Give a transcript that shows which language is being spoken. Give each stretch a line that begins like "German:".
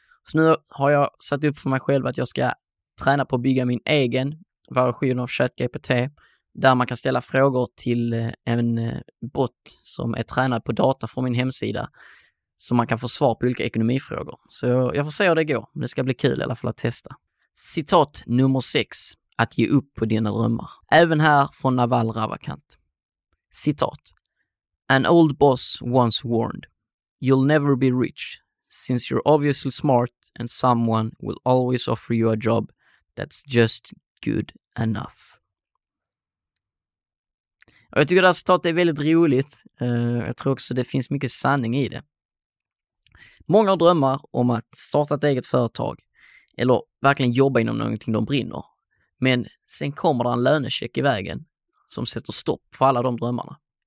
Swedish: Så nu har jag satt upp för mig själv att jag ska träna på att bygga min egen version av ChatGPT där man kan ställa frågor till en bot som är tränad på data från min hemsida, så man kan få svar på olika ekonomifrågor. Så jag får se hur det går, men det ska bli kul i alla fall att testa. Citat nummer 6. Att ge upp på dina drömmar. Även här från Naval Ravikant.
English: Citat: "An old boss once warned, you'll never be rich, since you're obviously smart and someone will always offer you a job that's just good enough."
Swedish: Och jag tycker det här citatet är väldigt roligt. Jag tror också det finns mycket sanning i det. Många drömmar om att starta ett eget företag eller verkligen jobba inom någonting de brinner. Men sen kommer det en lönecheck i vägen som sätter stopp för alla de drömmarna.